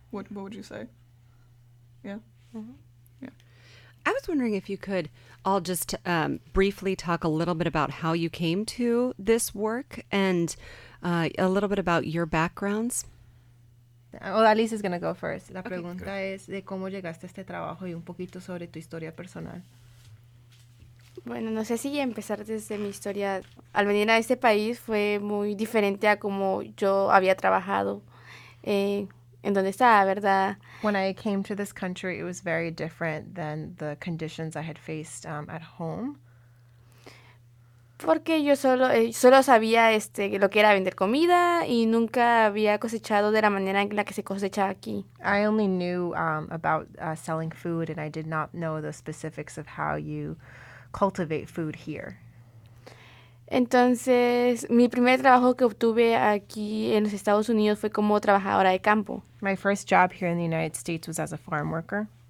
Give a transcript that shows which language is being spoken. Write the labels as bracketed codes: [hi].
[en] What would you say? Yeah. Mm-hmm. Yeah. I was wondering if you could all just briefly talk a little bit about how you came to this work and a little bit about your backgrounds. Hodaliz is going to go first. [es] La pregunta es de cómo llegaste a este trabajo y un poquito sobre tu historia personal. Bueno, no sé si empezar desde mi historia. Al venir a este país fue muy diferente a como yo había trabajado en donde estaba, ¿verdad? [en] When I came to this country, it was very different than the conditions I had faced at home. [es] Porque yo solo sabía lo que era vender comida y nunca había cosechado de la manera en la que se cosecha aquí. [en] I only knew about selling food and I did not know the specifics of how you cultivate food here. [es] Entonces, mi primer trabajo que obtuve aquí en los Estados Unidos fue como trabajadora de campo. [en] My first job here in the United States was as a farm worker.